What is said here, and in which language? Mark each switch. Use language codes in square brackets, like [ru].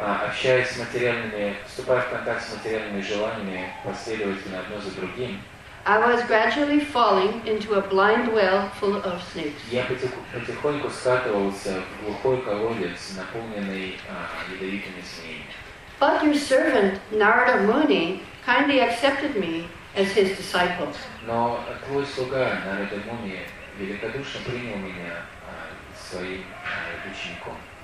[ru] Общаясь с материальными, вступая в контакт с материальными желаниями последовательно одно за другим. [en] I was gradually falling into a blind well full of snakes. [ru] Я потихоньку скатывался в глухой колодец, наполненный ядовитыми змеями. [en] But your servant Narada Muni kindly accepted me as his disciple. [ru] Но твой слуга Нарада Муни великодушно принял меня своим учеником.